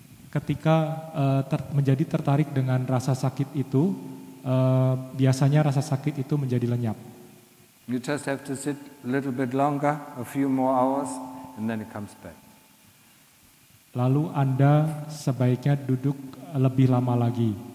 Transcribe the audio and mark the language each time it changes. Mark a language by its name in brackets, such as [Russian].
[Indonesian] Ketika menjadi tertarik dengan rasa sakit itu, biasanya rasa sakit itu menjadi lenyap. [English] You just have to sit a little bit longer, a few more hours, and then it comes back. [Indonesian] Lalu Anda sebaiknya duduk lebih lama lagi.